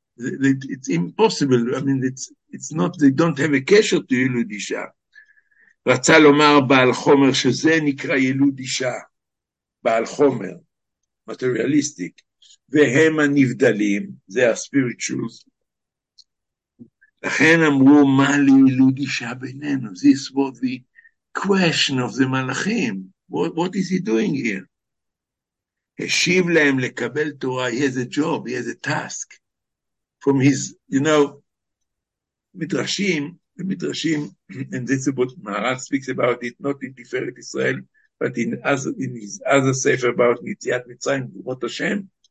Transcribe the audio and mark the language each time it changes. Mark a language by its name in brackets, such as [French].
[English] It's impossible, I mean, it's not, they don't have a קשר to ילוד אישה. [Hebrew] רצה לומר בעל חומר שזה נקרא ילוד אישה, בעל חומר, [English] materialistic, [Hebrew] והם הנבדלים, זה ה-spirituals. לכן אמרו, מה לילוד אישה בינינו? [English] This was the question of the מלאכים. What is he doing here? [Hebrew] השיב להם לקבל תורה, [English] he has a job, he has a task. From his, you know, מדרשים, and this is what Maharal speaks about it, not in Tiferet Israel, but in his other sefer about Yitziat Mitzrayim, Gvurot Hashem.